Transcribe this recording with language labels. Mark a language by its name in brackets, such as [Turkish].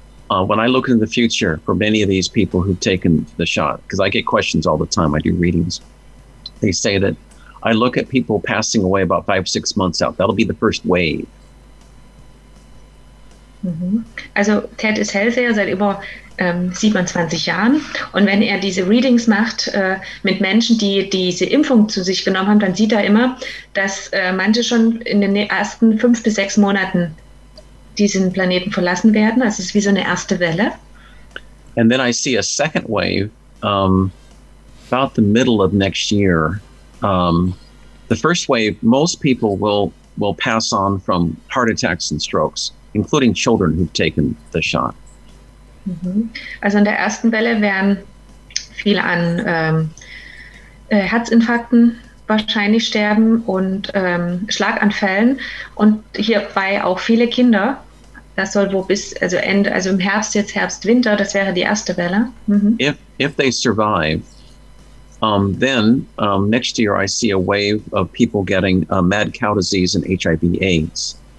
[English] When I look into the future for many of these people who've taken the shot, because I get questions all the time, I do readings, they say that I look at people passing away about 5-6 months out. That'll be the first wave. [German] Also Ted ist Hellseher seit über 27 Jahren und wenn er diese Readings macht mit Menschen, die diese Impfung zu sich genommen haben, dann sieht er immer, dass manche schon in den ersten 5-6 Monaten diesen Planeten verlassen werden. Also es ist wie so eine erste Welle. [English] And then I see a second wave about the middle of next year. The first wave, most people will pass on from heart attacks and strokes, including children who've taken the shot. [German] Also in der ersten Welle werden viele an Herzinfarkten wahrscheinlich sterben und Schlaganfällen und hierbei auch viele Kinder. Das soll wohl bis, also Ende, also im Herbst, jetzt Herbst, Winter, das wäre die erste Welle. Mhm. [English] If they survive, then next year I see a wave of people getting mad cow disease and HIV/AIDS.